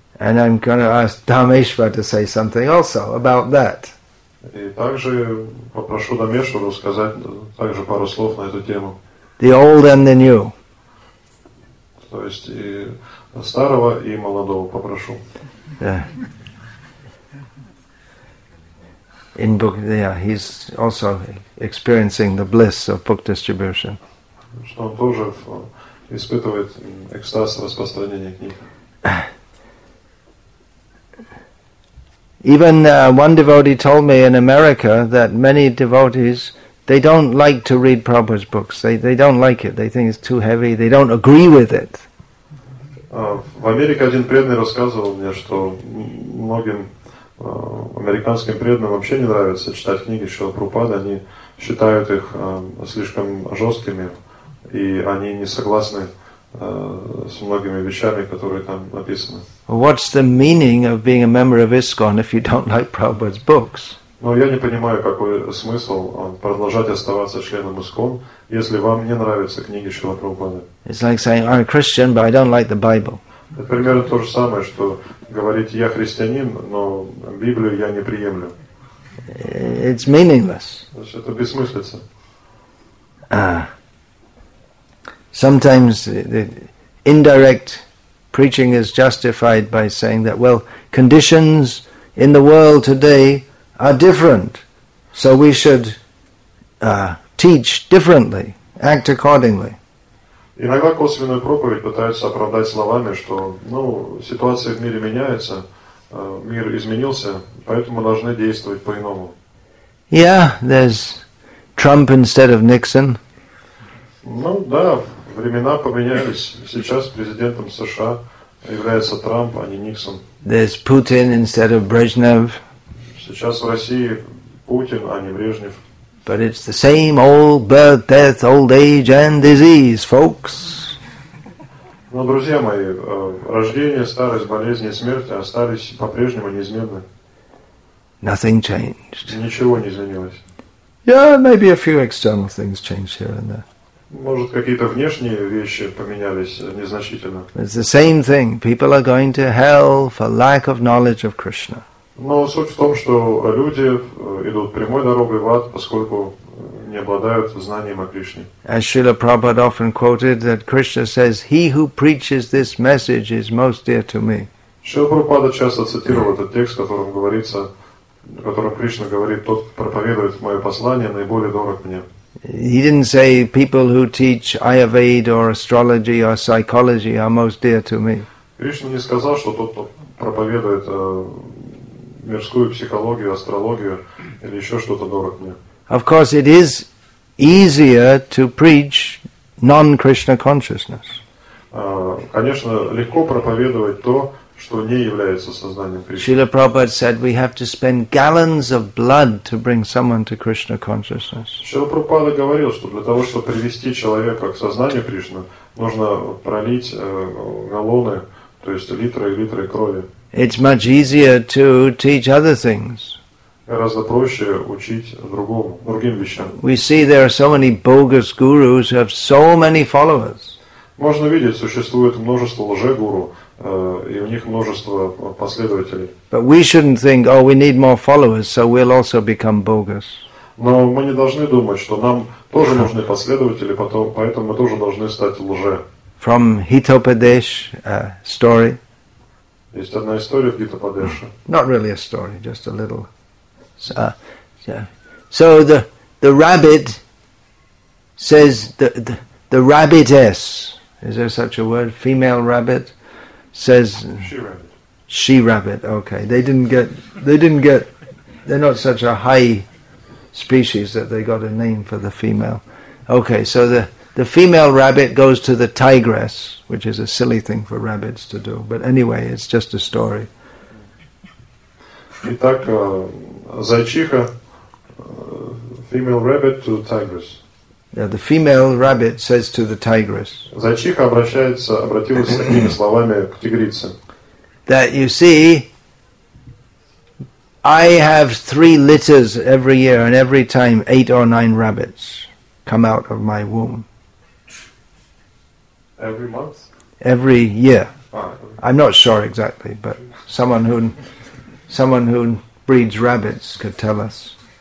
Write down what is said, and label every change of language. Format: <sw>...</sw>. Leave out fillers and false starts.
<en>And I'm going to ask Dhameshwar to say something also about that.</en> <ru>И также попрошу Дамешвару сказать также пару слов на эту тему.</ru> <en>The old and the new.</en> <ru>То есть и старого, и молодого попрошу.</ru> <en>In book, yeah, he's also experiencing the bliss of book distribution.</en> <ru>Что он тоже испытывает экстаз распространения книг.</ru> <en>Even one devotee told me in America that many devotees, they don't like to read Prabhupada's books. They don't like it. They think it's too heavy. They don't agree with it.</en> <ru>В Америке один преданный рассказывал мне, что многим американским преданным вообще не нравится читать книги Шрилы Прабхупады. Они считают их слишком жесткими, и они не согласны с многими вещами, которые там написаны.</ru> <en>What's the meaning of being a member of ISKCON if you don't like Prabhupada's books?</en> <ru>Но я не понимаю, какой смысл продолжать оставаться членом ИСКОН, если вам не нравятся книги Шрилы Прабхупады.</ru> <en>It's like saying I'm a Christian, but I don't like the Bible.</en> <ru>Это примерно то же самое, что говорить: я христианин, но Библию я не приемлю.</ru> <en>It's meaningless.</en> <ru>То есть это бессмыслица.</ru> <en>Sometimes the indirect preaching is justified by saying that, well, conditions in the world today are different, so we should teach differently, act accordingly.</en> <ru>Иногда косвенную проповедь пытаются оправдать словами, что, ну, ситуация в мире меняется, мир изменился, поэтому должны действовать по-иному.</ru> <en>Yeah, there's Trump instead of Nixon.</en> <ru>Ну, да. Времена поменялись. Сейчас президентом США является Трамп, а не Никсон.</ru> <en>There's Putin instead of Brezhnev.</en> <ru>Сейчас в России Путин, а не Брежнев.</ru> <en>But it's the same old birth, death, old age and disease, folks.</en> <ru>Но, друзья мои, рождение, старость, болезни и смерть остались по-прежнему неизменны.</ru> <en>Nothing changed.</en> <ru>Ничего не изменилось.</ru> <en>Yeah, maybe a few external things changed here and there.</en> <ru>Может, какие-то внешние вещи поменялись незначительно.</ru> <en>It's the same thing. People are going to hell for lack of knowledge of Krishna.</en> <ru>Но суть в том, что люди идут прямой дорогой в ад, поскольку не обладают знанием о Кришне.</ru> <en>As Srila Prabhupada often quoted, that Krishna says, "He who preaches this message is most dear to me."</en> <ru>Шрила Прабхупада часто цитировал этот текст, которым говорится, которым Кришна говорит, тот, кто проповедует мое послание, наиболее дорог мне.</ru> <en>He didn't say people who teach Ayurveda or astrology or psychology are most dear to me.</en> <ru>Кришна не сказал, что тот, кто проповедует мирскую психологию, астрологию или еще что-то, дорог мне.</ru> <en>Of course, it is easier to preach non-Krishna consciousness.</en> <ru>Конечно, легко проповедовать то, что не является сознанием Кришны.</ru> <en>Srila Prabhupada said we have to spend gallons of blood to bring someone to Krishna consciousness.</en> <ru>Srila Prabhupada говорил, что для того, чтобы привести человека к сознанию Кришны, нужно пролить галлоны, то есть литры и литры крови.</ru> <en>It's much easier to teach other things.</en> <ru>Гораздо проще учить другим вещам.</ru> <en>We see there are so many bogus gurus who have so many followers.</en> <ru>Можно видеть, существует множество лжегуру, и у них множество последователей.</ru> <en>But we shouldn't think, oh, we need more followers, so we'll also become bogus.</en> <ru>Но мы не должны думать, что нам тоже нужны последователи, поэтому мы тоже должны стать лже.</ru> <en>From Hitopadesh story.</en> <ru>Есть одна история в Гитопадеше.</ru> <en>Not really a story, just a little. So the rabbit says the rabbitess. Is there such a word? Female rabbit says. She rabbit. She rabbit. Okay. They didn't get. They're not such a high species that they got a name for the female. Okay. So the female rabbit goes to the tigress, which is a silly thing for rabbits to do. But anyway, it's just a story.</en> <ru>Итак, зайчиха,</ru> <en>female rabbit to tigress. Yeah, the female rabbit says to the tigress.</en> <ru>Зайчиха обратилась с такими словами к тигрице.</ru> <en>That you see, I have 3 litters every year, and every time 8 or 9 rabbits come out of my womb. Every month? Every year. I'm not sure exactly, but someone who breeds rabbits could tell us.</en>